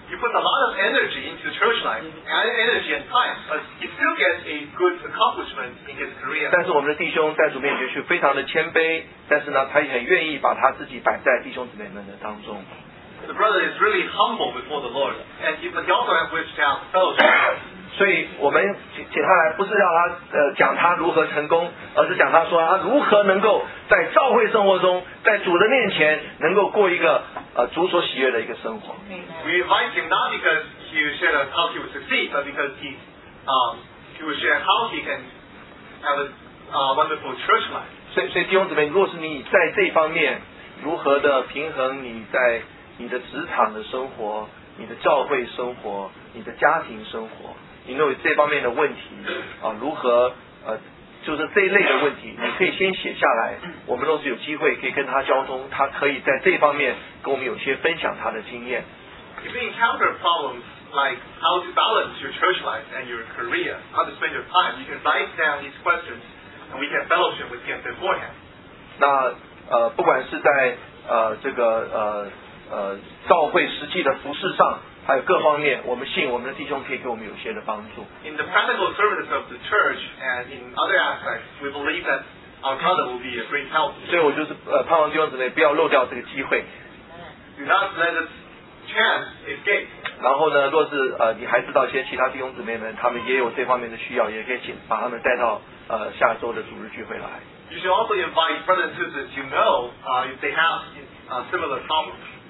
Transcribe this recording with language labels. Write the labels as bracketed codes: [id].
[en] He puts a lot of energy into church life, and energy and time, but he still gets a good accomplishment in his career. [zh] 但是我们的弟兄在主面前是非常的谦卑，但是呢，他也很愿意把他自己摆在弟兄姊妹们的当中。 [en] The brother is really humble before the Lord, and he also has wished to have fellowship. [zh] 所以我们请他来，不是让他讲他如何成功，而是讲他说他如何能够在教会生活中，在主的面前能够过一个主所喜悦的一个生活。 [en] We invite him not because he will share how he will succeed, but because he will share how he can have a wonderful church life. [zh] 所以弟兄姊妹，如果是你在这方面如何的平衡你在你的职场的生活、你的教会生活、你的家庭生活，你有这方面的问题如何就是这一类的问题，你可以先写下来，我们都是有机会可以跟他交通，他可以在这方面跟我们有些分享他的经验。 [en] If you encounter problems like how to balance your church life and your career, how to spend your time, you can write down these questions and we can fellowship with him beforehand. [zh] 那不管是在这个教会实际的服事上，还有各方面，我们信我们的弟兄可以给我们有些的帮助。 [en] In the practical service of the church and in other aspects, we believe that our brother will be a great help. [zh] 所以我就是盼望弟兄姊妹不要漏掉这个机会。 [en] Do not let this chance escape. [zh] 然后呢，若是你还知道一些其他弟兄姊妹们，他们也有这方面的需要，也可以请把他们带到下周的主日聚会来。 [en] You should also invite brothers and sisters you know if they have similar problems.